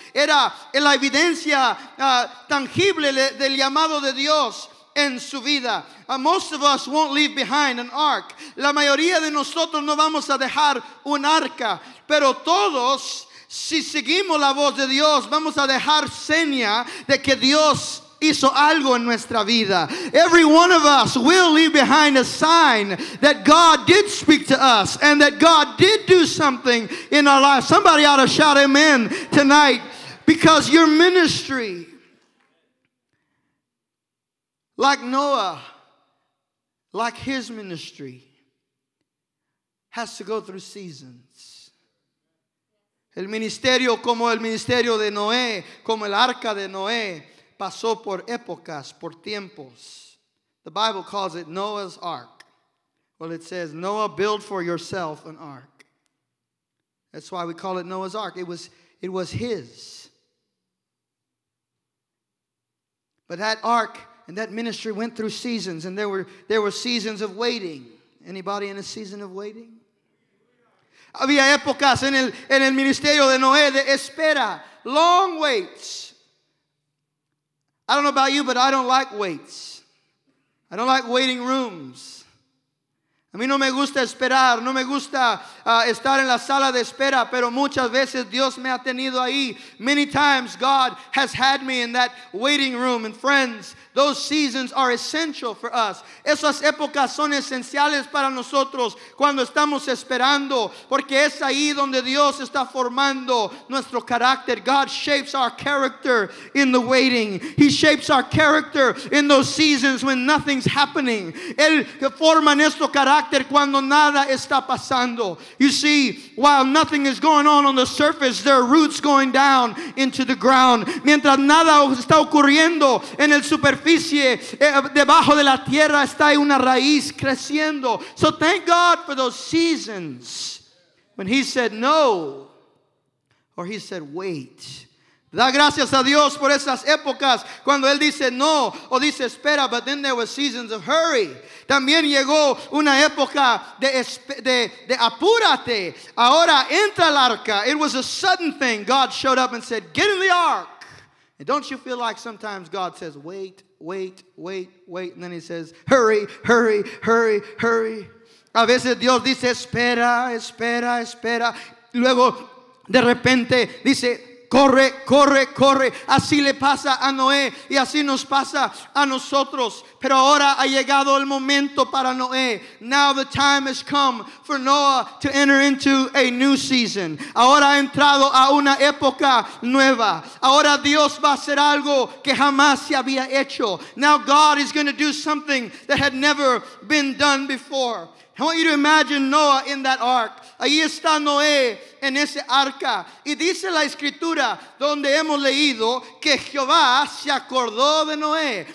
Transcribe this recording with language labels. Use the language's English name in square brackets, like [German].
[Spanish] Era la evidencia tangible del llamado de Dios en su vida. [English] Most of us won't leave behind an ark. [Spanish] La mayoría de nosotros no vamos a dejar un arca. Pero todos, si seguimos la voz de Dios, vamos a dejar seña de que Dios hizo algo en nuestra vida. [English] Every one of us will leave behind a sign that God did speak to us and that God did do something in our lives. Somebody ought to shout amen tonight, because your ministry, like Noah, like his ministry, has to go through seasons. [Spanish] El ministerio como el ministerio de Noé, como el arca de Noé, pasó por épocas, por tiempos. [English] The Bible calls it Noah's ark. Well, it says, Noah, build for yourself an ark. That's why we call it Noah's ark. It was his. But that ark and that ministry went through seasons, and there were seasons of waiting. Anybody in a season of waiting? [Spanish] Había épocas en el ministerio de Noé de espera, [English] long waits. I don't know about you, but I don't like waits. I don't like waiting rooms. [Spanish] A mí no me gusta esperar. No me gusta estar en la sala de espera. Pero muchas veces Dios me ha tenido ahí. [English] Many times God has had me in that waiting room. And friends, those seasons are essential for us. [Spanish] Esas épocas son esenciales para nosotros cuando estamos esperando. Porque es ahí donde Dios está formando nuestro carácter. [English] God shapes our character in the waiting. He shapes our character in those seasons when nothing's happening. [Spanish] Él forma nuestro carácter cuando nada está pasando. [English] You see, while nothing is going on the surface, there are roots going down into the ground. [Spanish] Mientras nada está ocurriendo en el super debajo de la tierra está una raíz creciendo. [English] So thank God for those seasons when he said no, or he said wait. [Spanish] Da gracias a Dios por esas épocas cuando él dice no o dice espera. [English] But then there were seasons of hurry. [Spanish] También llegó una época de apúrate. Ahora entra el arca. [English] It was a sudden thing. God showed up and said, get in the ark. And don't you feel like sometimes God says wait, wait, wait, wait, and then he says, hurry, hurry, hurry, hurry. [Spanish] A veces Dios dice, espera, espera, espera. Luego, de repente, dice, Corre, corre, corre. Así le pasa a Noé y así nos pasa a nosotros. Pero ahora ha llegado el momento para Noé. [English] Now the time has come for Noah to enter into a new season. [Spanish] Ahora ha entrado a una época nueva. Ahora Dios va a hacer algo que jamás se había hecho. [English] Now God is going to do something that had never been done before. I want you to imagine Noah in that ark. [Spanish] Ahí está Noé en ese arca. Y dice la escritura donde hemos leído que Jehová se acordó de Noé.